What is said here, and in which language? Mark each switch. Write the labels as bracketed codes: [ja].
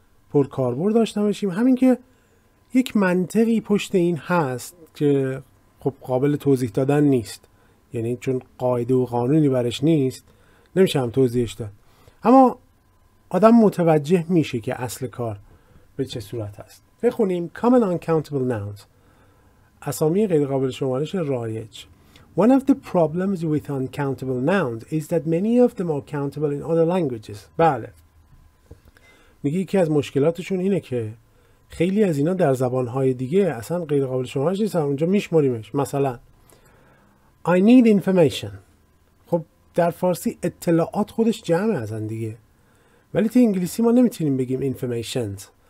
[fa] پرکاربرد داشته باشیم، همین که یک منطقی پشت این هست که خب قابل توضیح دادن نیست، یعنی چون قاعده و قانونی برش نیست نمیشه هم توضیحش داد، اما آدم متوجه میشه که اصل کار به چه صورت هست. بخونیم: common uncountable nouns، اسامی غیر قابل شمارش رایج. [en] One of the problems with uncountable nouns is that many of them are countable in other languages. [fa] بله، میگه یکی از مشکلاتشون اینه که خیلی از اینا در زبان‌های دیگه اصلا غیر قابل شمارش نیست، اونجا میشماریمش. [en] مثلا I need information. [fa] خب در فارسی اطلاعات خودش جمع ازن دیگه، ولی تو انگلیسی ما نمیتونیم بگیم informations.